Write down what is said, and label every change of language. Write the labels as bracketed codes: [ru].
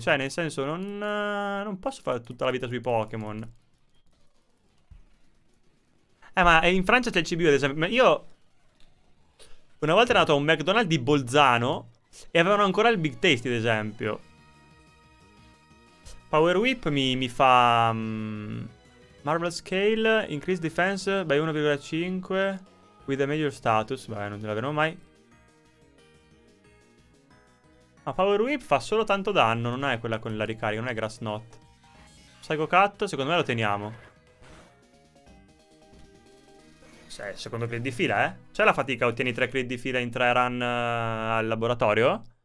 [it] Cioè, nel senso, non posso fare tutta la vita sui Pokémon. Ma in Francia c'è il CBU, ad esempio. Ma io... Una volta ero andato a un McDonald's di Bolzano e avevano ancora il Big Tasty, ad esempio. Power Whip mi fa... [en] Marvel Scale, increase defense by 1,5 with a major status. [it] Beh, non ce l'avremo mai. Ma Power Whip fa solo tanto danno, non è quella con la ricarica, non è Grass Knot. Psycho Cut, secondo me lo teniamo. Cioè, secondo crit di fila, eh? C'è la fatica, ottieni 3 crit di fila in 3 run al laboratorio?